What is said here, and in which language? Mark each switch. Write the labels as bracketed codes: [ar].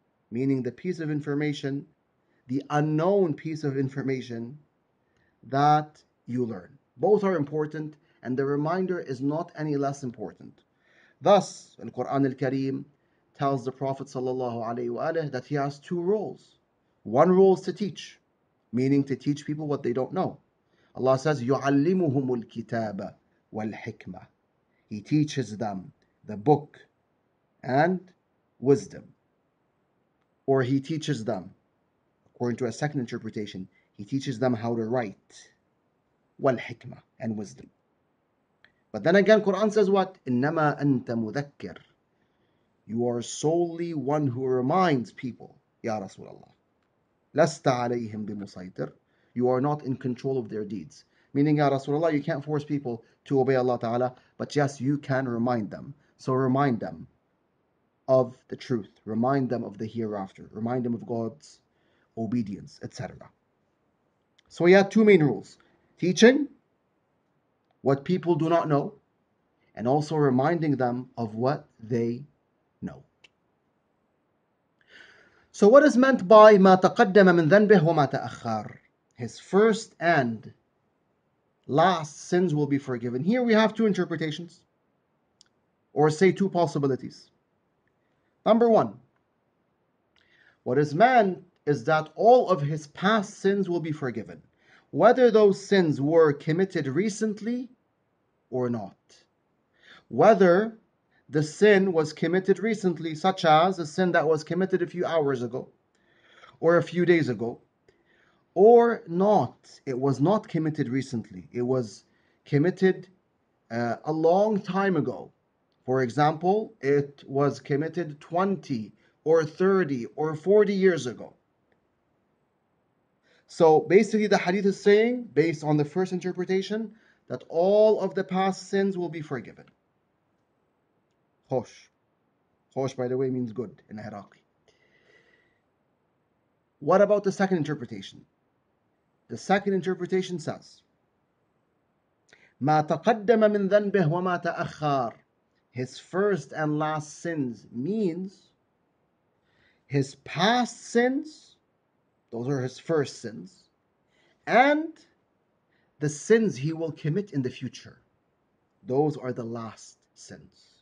[en] Meaning the piece of information, the unknown piece of information that you learn. Both are important, and the reminder is not any less important. Thus, in Quran al-Kareem tells the Prophet sallallahu alayhi wa alayhi that he has two roles. One role is to teach, meaning to teach people what they don't know. Allah says, [ar] يُعَلِّمُهُمُ الْكِتَابَ وَالْحِكْمَةِ. [en] He teaches them the book and wisdom. Or he teaches them, according to a second interpretation, he teaches them how to write, [ar] والحكمة, [en] and wisdom. But then again, Quran says what? [ar] إِنَّمَا أَنْتَ مُذَكِّرٌ. [en] You are solely one who reminds people, [ar] يَا رَسُولَ اللَّهِ. لَسْتَ عَلَيْهِمْ بِمُسَيْطِرٍ. [en] You are not in control of their deeds. Meaning, [ar] يَا رَسُولَ اللَّهِ, [en] you can't force people to obey Allah Ta'ala, but yes, you can remind them. So remind them of the truth, remind them of the hereafter, remind them of God's obedience, etc. So we had two main rules: teaching what people do not know, and also reminding them of what they know. So what is meant by [ar] ما تقدم من ذنبه وما تأخر? [en] His first and last sins will be forgiven. Here we have two interpretations, or say two possibilities. Number one, what is meant is that all of his past sins will be forgiven, whether those sins were committed recently or not. Whether the sin was committed recently, such as a sin that was committed a few hours ago or a few days ago, or not, it was not committed recently. It was committed a long time ago. For example, it was committed 20 or 30 or 40 years ago. So basically the hadith is saying, based on the first interpretation, that all of the past sins will be forgiven. Khosh. Khosh, by the way, means good in Iraqi. What about the second interpretation? The second interpretation says, [ar] مَا تَقَدَّمَ مِنْ ذَنْبِهِ وَمَا تَأَخَّرَ. [en] His first and last sins means his past sins, those are his first sins, and the sins he will commit in the future. Those are the last sins.